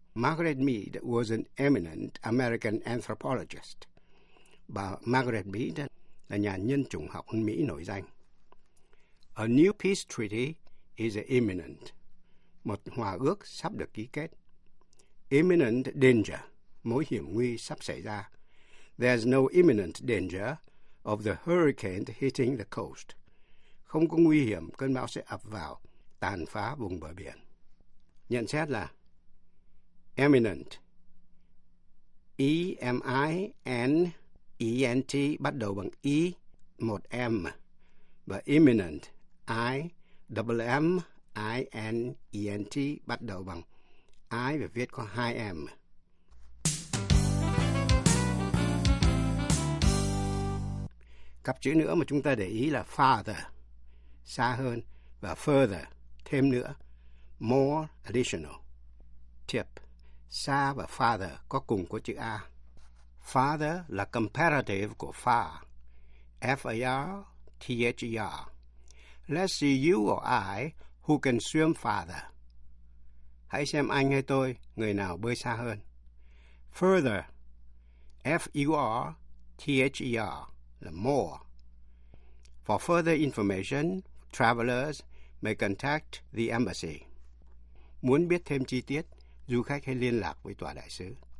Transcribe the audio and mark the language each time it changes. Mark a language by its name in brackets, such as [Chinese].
[English] Margaret Mead was an eminent American anthropologist. [Vietnamese] Bà Margaret Mead là nhà nhân chủng học Mỹ nổi danh. [English] A new peace treaty is imminent. [Vietnamese] Một hòa ước sắp được ký kết. [English] Imminent danger. [Vietnamese] Mối hiểm nguy sắp xảy ra. [English] There's no imminent danger of the hurricane hitting the coast. [Vietnamese] Không có nguy hiểm cơn bão sẽ ập vào, tàn phá vùng bờ biển. Nhận xét là eminent, E-M-I-N-E-N-T bắt đầu bằng E, một M, và imminent, I-M-M-I-N-E-N-T bắt đầu bằng I và viết có hai M. Cặp chữ nữa mà chúng ta để ý là farther, xa hơn, và further, thêm nữa, [English] more, additional, [Vietnamese] tip. Xa và farther có cùng có chữ A. Farther là comparative của far. [English] F-A-R-T-H-E-R. Let's see you or I who can swim farther. [Vietnamese] Hãy xem anh hay tôi, người nào bơi xa hơn. Further. [English] F-U-R-T-H-E-R là more. For further information, travelers may contact the embassy. [Vietnamese] Muốn biết thêm chi tiết, du khách hãy liên lạc với tòa đại sứ.